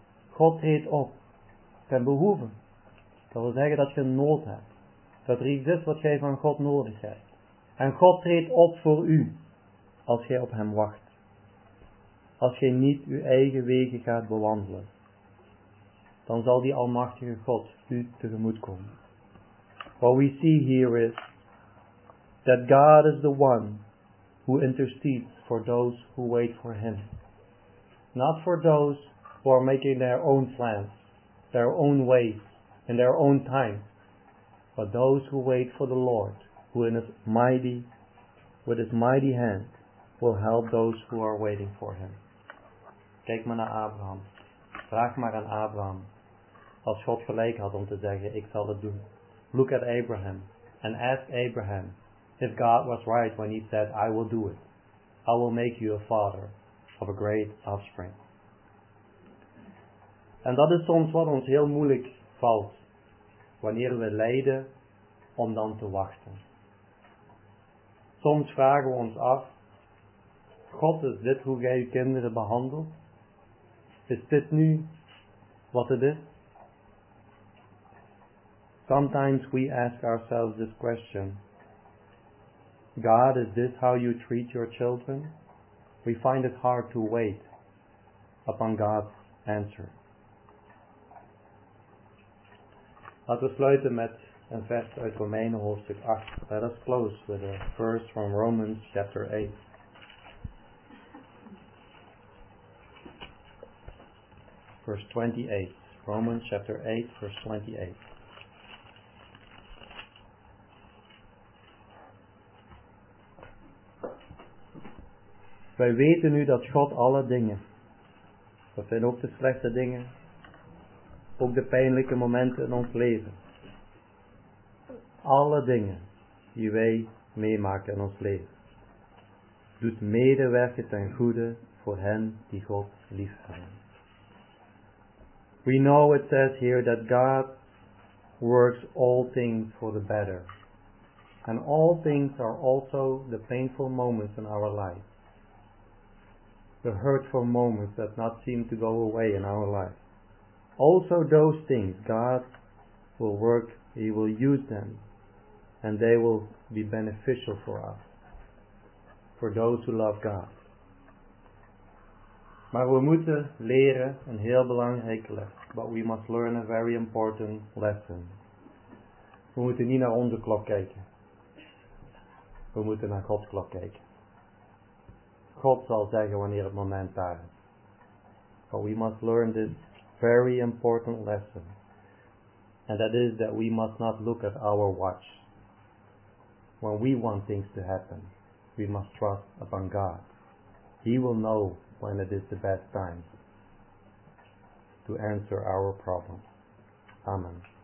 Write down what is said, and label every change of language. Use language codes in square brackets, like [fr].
[nl] God treedt op ten behoeve. Dat wil zeggen dat je nood hebt. Dat er iets is wat jij van God nodig hebt. En God treedt op voor u als jij op hem wacht. Als jij niet uw eigen wegen gaat bewandelen, dan zal die almachtige God u tegemoet komen. [en] What we see here is that God is the one who intercedes for those who wait for him. Not for those who are making their own plans, their own ways, in their own time. But those who wait for the Lord, who in his mighty, with his mighty hand, will help those who are waiting for him. [nl] Kijk maar naar Abraham. Vraag maar aan Abraham. Als God gelijk had om te zeggen, ik zal het doen. [en] Look at Abraham and ask Abraham if God was right when he said, I will do it. I will make you a father of a great offspring. [nl] En dat is soms wat ons heel moeilijk valt, wanneer we lijden om dan te wachten. Soms vragen we ons af, God, is dit hoe jij je kinderen behandelt? Is dit nu wat het is? [en] Sometimes we ask ourselves this question, God, is this how you treat your children? We find it hard to wait upon God's answer. [nl] Laten we sluiten met een vers uit Romeinen hoofdstuk 8. [en] Let us close with a verse from Romans chapter 8. Verse 28. Romans chapter 8, verse 28. [nl] Wij weten nu dat God alle dingen, dat zijn ook de slechte dingen, ook de pijnlijke momenten in ons leven, alle dingen die wij meemaken in ons leven, doet medewerken ten goede voor hen die God lief hebben. [en] We know it says here that God works all things for the better. And all things are also the painful moments in our life. The hurtful moments that not seem to go away in our life. Also those things, God will work, He will use them, and they will be beneficial for us, for those who love God. [nl] Maar we moeten leren een heel belangrijke les. [en] But we must learn a very important lesson. [nl] We moeten niet naar onze klok kijken. We moeten naar Gods klok kijken. God zal zeggen wanneer het moment daar is. [en] But we must learn this very important lesson. And that is that we must not look at our watch. When we want things to happen, we must trust upon God. He will know when it is the best time to answer our problem. Amen.